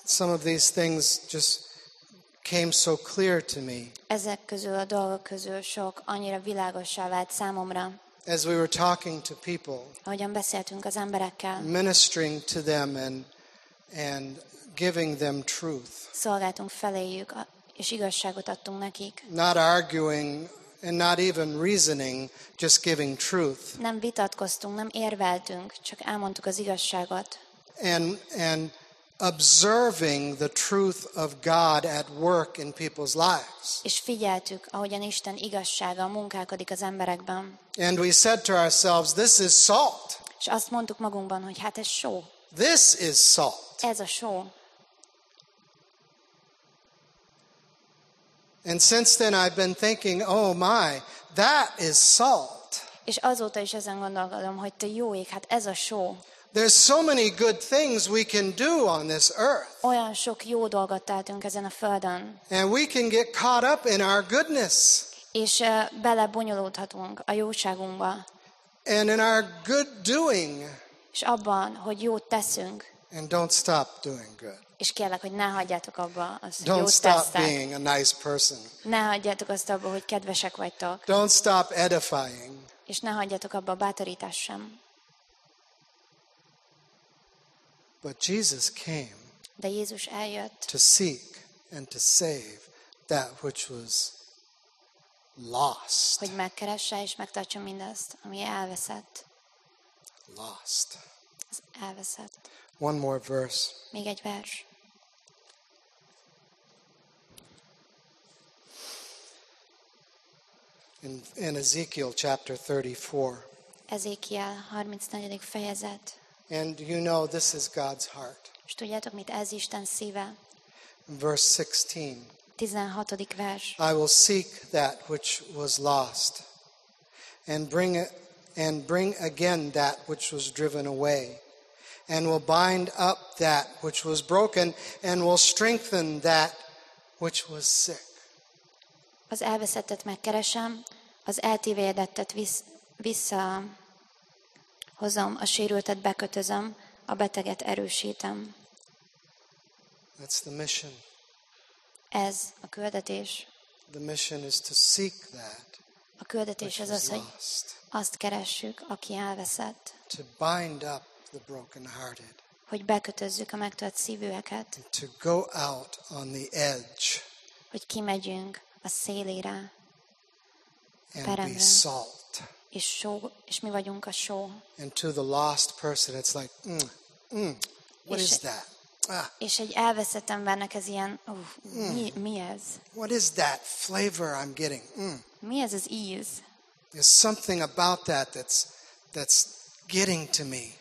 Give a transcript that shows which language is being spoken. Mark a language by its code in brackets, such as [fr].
[en] Some of these things just came so clear to me. [hu] Ezek közül a dolgok közül sok annyira világossá vált számomra. [en] As we were talking to people. [hu] Ahogyan beszéltünk az emberekkel. [en] Ministering to them and giving them truth. [hu] Szolgáltunk feléjük, és igazságot adtunk nekik. [en] Not arguing and not even reasoning, just giving truth. [hu] Nem vitatkoztunk, nem érveltünk, csak elmondtuk az igazságot. [en] And observing the truth of God at work in people's lives. [hu] És figyeltük, ahogyan Isten igazsága munkálkodik az emberekben. [en] And we said to ourselves, this is salt. [hu] és azt mondtuk magunkban, hogy hát ez só. [en] This is salt. [hu] Ez a só. [en] And since then I've been thinking, oh my, that is salt. [hu] És azóta is ezen gondolkodom, hogy te jó ég, hát ez a só. [en] There's so many good things we can do on this earth. [hu] Olyan sok jó dolgot tehetünk ezen a földön. [en] And we can get caught up in our goodness. [hu] És belebonyolódhatunk a jóságunkba. [en] And in our good doing. [hu] És abban, hogy jót teszünk. [en] And don't stop doing good. [hu] És kérlek, hogy ne hagyjátok abba azt, hogy jót tesztek. [en] Don't stop being a nice person. [hu] Ne hagyjátok azt abba, hogy kedvesek vagytok. [en] Don't stop edifying. [hu] És ne hagyjátok abba a bátorítást sem. [en] But Jesus came. [hu] De Jézus eljött. [en] To seek and to save that which was lost. [hu] Hogy megkeresse és megtartsa mindazt, ami elveszett. [en] Lost. [hu] Az elveszett. [en] One more verse. [hu] Még egy vers. [en] In Ezekiel chapter 34. [hu] Ezekiel 34. fejezet. [en] And you know this is God's heart. [hu] És tudjátok, mit ez Isten szíve. [en] Verse 16. [hu] 16. vers. [en] I will seek that which was lost and bring again that which was driven away. And will bind up that which was broken, and will strengthen that which was sick. [hu] Az elveszettet megkeresem, az eltévedettet visszahozom, a sérültet bekötözöm, a beteget erősítem. [en] That's the mission. [hu] Ez a küldetés. [en] The mission is to seek that. [hu] A küldetés az az, hogy azt keressük, aki elveszett. [en] To bind up. The broken-hearted. [hu] Hogy bekötözzük a megtört szívűeket. [en] To go out on the edge. [hu] Hogy kimegyünk a szélére. [en] And [hu] peremre. [en] Be salt. [hu] És só, és mi vagyunk a só. [en] And to the lost person, it's like, what is that? [hu] És egy elveszett embernek ez ilyen, mi ez? [en] What is that flavor I'm getting? [hu] Mi ez az íz? [en] There's something about that that's getting to me.